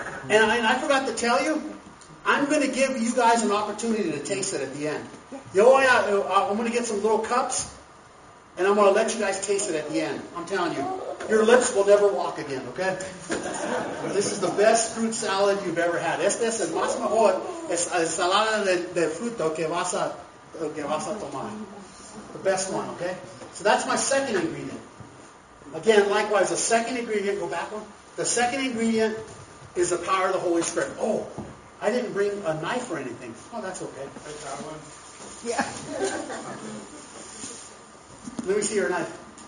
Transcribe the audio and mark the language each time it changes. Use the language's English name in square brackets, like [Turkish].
[English] And I forgot to tell you, I'm going to give you guys an opportunity to taste it at the end. I'm going to get some little cups, and I'm going to let you guys taste it at the end. I'm telling you, Your lips will never walk again, okay? But this is the best fruit salad you've ever had. [Spanish] Este es el más mejor ensalada de fruto que vas a tomar. [English] The best one, okay? So that's my second ingredient. Again, likewise, the second ingredient, go back one. The second ingredient is the power of the Holy Spirit. Oh, I didn't bring a knife or anything. Oh, that's okay. Yeah. Let me see your knife.